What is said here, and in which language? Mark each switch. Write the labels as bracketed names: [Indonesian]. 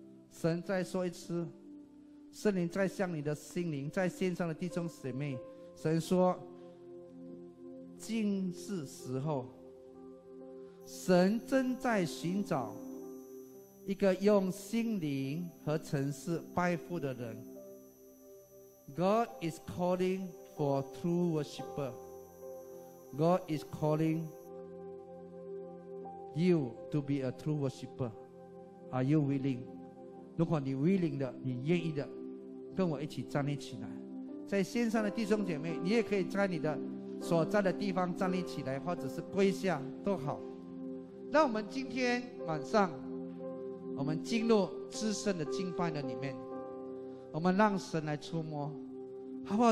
[Chinese] 神再说一次，圣灵在向你的心灵，在线上的弟兄姐妹，神说今是时候。神正在寻找一个用心灵和诚实拜父的人。 [English] God is calling for true worshipper. God is calling you to be a true worshipper? Are you willing? [Chinese] 如果你 willing 的，你愿意的，跟我一起站立起来。在线上的弟兄姐妹，你也可以在你的所在的地方站立起来，或者是跪下都好。那我们今天晚上，我们进入至圣的敬拜的里面，我们让神来触摸，好不好？